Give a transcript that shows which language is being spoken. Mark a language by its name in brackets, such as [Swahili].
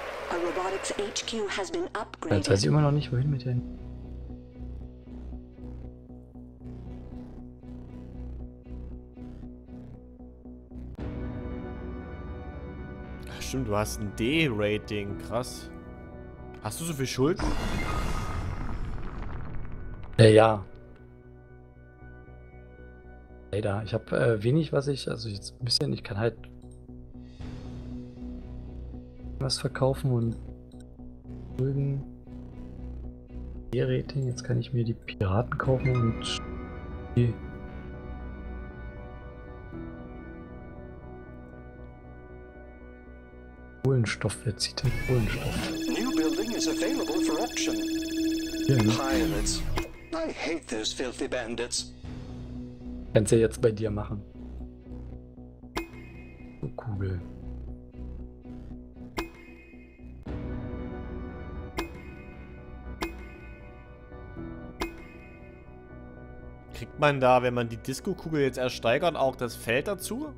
[English] A Robotics HQ has been upgraded. [German] Jetzt weiß ich immer noch nicht, wohin mit denen. Du hast ein D-Rating, krass. Hast du so viel Schulden? Ja. Leider. Ich habe wenig, was ich. Also jetzt ein bisschen. Ich kann halt was verkaufen und Schulden. D-Rating. Jetzt kann ich mir die Piraten kaufen und. Kohlenstoff, wer zieht denn Kohlenstoff? [English] New building is available for auction. [German] Ja, ne? [English] Pirates. I hate those filthy bandits. [German] Kannst du ja jetzt bei dir machen. So Kugel. Kriegt man da, wenn man die Disco-Kugel jetzt ersteigert, auch das Feld dazu?